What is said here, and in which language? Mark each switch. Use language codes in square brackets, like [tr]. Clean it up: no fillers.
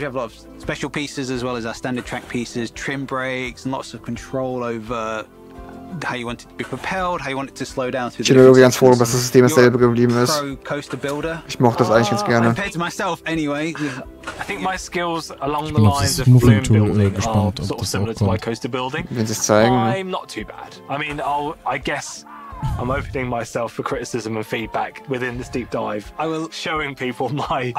[en] We have a lot of special pieces as well as our standard track pieces, trim brakes, and lots of control over how you want it to be propelled, how you want it to slow down. [de] Ich bin irgendwie ganz froh, dass das System dasselbe geblieben ist. [en] Coaster builder. [de] Ich mochte das eigentlich ganz gerne. [en] Compared to myself, anyway. I think my skills along the lines of bloom building are sort of similar to my coaster building. [de] Wenn sie es zeigen. [en] I'm not too bad. I mean, I guess I'm opening myself for criticism and feedback within this deep dive. I will showing people my